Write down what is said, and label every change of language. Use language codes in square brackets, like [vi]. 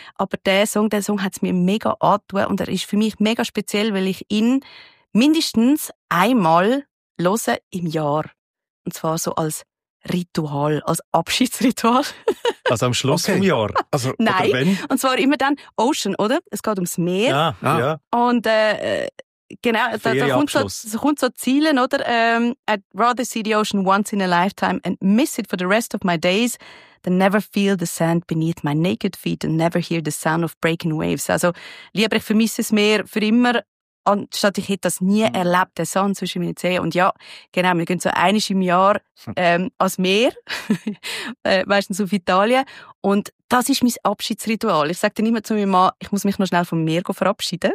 [de] Aber der Song hat es mir mega angetan und er ist für mich mega speziell, weil ich ihn mindestens einmal höre im Jahr. Und zwar so als Ritual, als Abschiedsritual. Also am Schluss vom Jahr? Also, nein, oder wenn? Und zwar immer dann Ocean, oder? Es geht ums Meer. Ja. Und genau, da kommt so Zielen, oder? [en] I'd rather see the ocean once in a lifetime and miss it for the rest of my days than never feel the sand beneath my naked feet and never hear the sound of breaking waves. [de] Also lieber ich vermisse das Meer für immer, anstatt ich hätte das nie erlebt, den Sand zwischen meinen Zehen. Und ja, genau, wir gehen so einmal im Jahr ans Meer, meistens auf Italien. Und das ist mein Abschiedsritual. Ich sage dann immer zu meinem Mann, ich muss mich noch schnell vom Meer verabschieden.